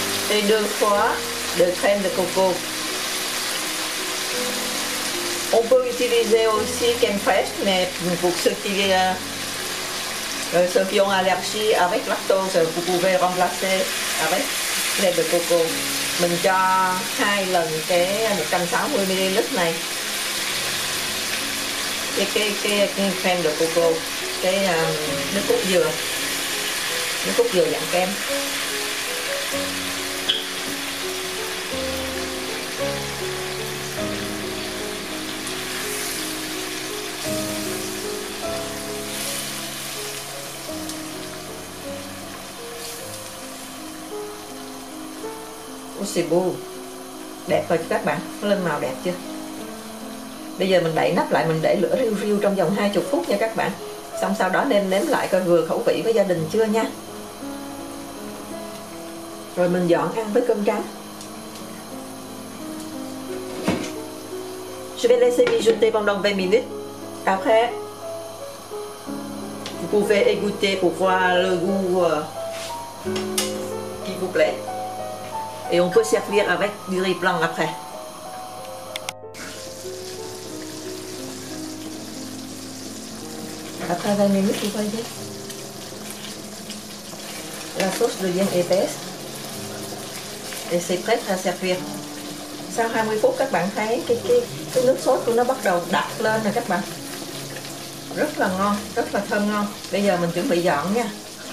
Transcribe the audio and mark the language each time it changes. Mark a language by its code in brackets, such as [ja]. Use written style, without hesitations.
[fr] Et deux fois de crème de coco. On peut utiliser aussi crème fraîche, mais pour ceux qui ont allergie avec lactose, vous pouvez remplacer avec crème de coco. [vi] Mình cho hai lần cái 160 ml này. Cái crème de coco, cái nước cốt dừa dạng kem. [fr] C'est beau, [vi] đẹp thôi các bạn, nó lên màu đẹp chưa. Bây giờ mình đậy nắp lại, mình để lửa riu riu trong vòng 20 phút nha các bạn. Xong sau đó nên nếm lại coi vừa khẩu vị với gia đình chưa nha. Rồi mình dọn ăn với cơm trắng. [fr] Je vais laisser mijoter pendant 20 minutes. Après, vous pouvez égoutter pour voir le goût qui vous plaît. Et on peut servir avec du riz blanc après. Après 20 minutes, vous voyez, la sauce devient épaisse et c'est prêt à servir. [vi] Sau 20 phút, các bạn thấy cái nước sốt của nó bắt đầu đặc lên rồi các bạn. Rất là ngon, rất là thơm ngon. Bây giờ mình chuẩn bị dọn nha.